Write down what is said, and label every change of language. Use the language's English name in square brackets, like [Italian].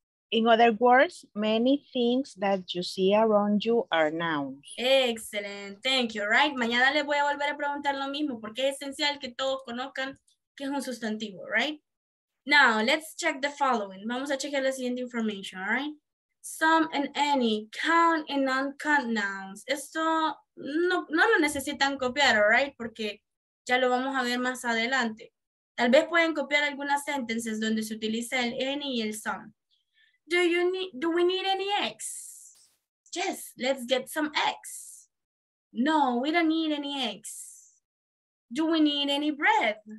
[English] In other words, many things that you see around you are nouns. Excellent, thank you, right? [Spanish] Mañana les voy a volver a preguntar lo mismo porque es esencial que todos conozcan que es un sustantivo, right? [English] Now, let's check the following. [Spanish] Vamos a chequear la siguiente [English] information, all right? Some and any, count and non-count nouns. [Spanish] Esto no lo necesitan copiar, all right? Porque ya lo vamos a ver más adelante. Tal vez pueden copiar algunas sentences donde se utiliza el any y el some. [English] Do we need any eggs? Yes, let's get some eggs. No, we don't need any eggs. Do we need any bread?